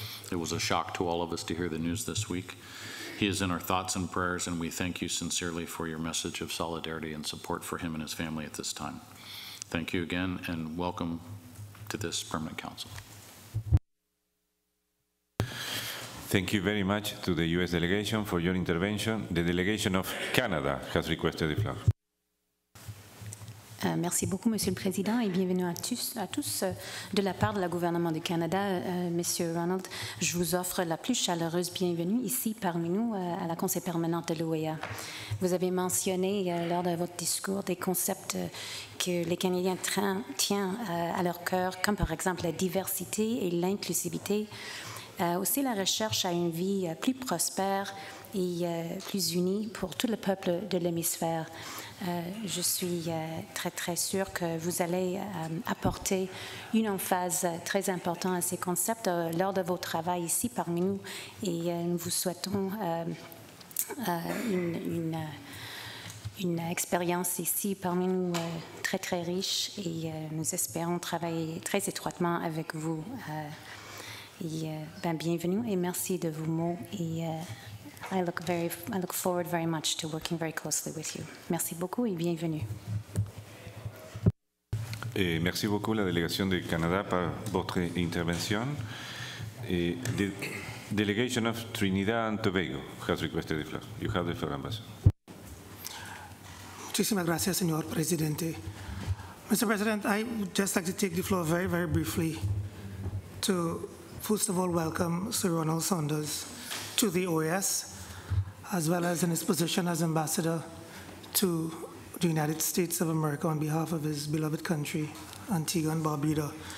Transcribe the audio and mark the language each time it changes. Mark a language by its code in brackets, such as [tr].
[en] It was a shock to all of us to hear the news this week. He is in our thoughts and prayers, and we thank you sincerely for your message of solidarity and support for him and his family at this time. Thank you again, and welcome to this permanent council. Thank you very much to the U.S. delegation for your intervention. The delegation of Canada has requested the floor. [fr] Merci beaucoup, Monsieur le Président, et bienvenue à tous de la part de la gouvernement du Canada. Monsieur Ronald, je vous offre la plus chaleureuse bienvenue ici parmi nous à la Conseil permanente de l'OEA. Vous avez mentionné lors de votre discours des concepts que les Canadiens tiennent à leur cœur, comme par exemple la diversité et l'inclusivité, aussi la recherche à une vie plus prospère et plus unie pour tout le peuple de l'hémisphère. Je suis très, très sûre que vous allez apporter une emphase très importante à ces concepts lors de vos travaux ici parmi nous, et nous vous souhaitons une expérience ici parmi nous très, très riche, et nous espérons travailler très étroitement avec vous. Bienvenue et merci de vos mots. [en] I look forward very much to working very closely with you. [fr] Merci beaucoup et bienvenue. Merci beaucoup la délégation du Canada pour votre intervention. [en] The delegation of Trinidad and Tobago has requested the floor. You have the floor, Ambassador. [es] Muchísimas gracias, señor presidente. Mr. [en] President, I would just like to take the floor very, very briefly to first of all welcome Sir Ronald Saunders to the OAS, as well as in his position as ambassador to the United States of America on behalf of his beloved country, Antigua and Barbuda.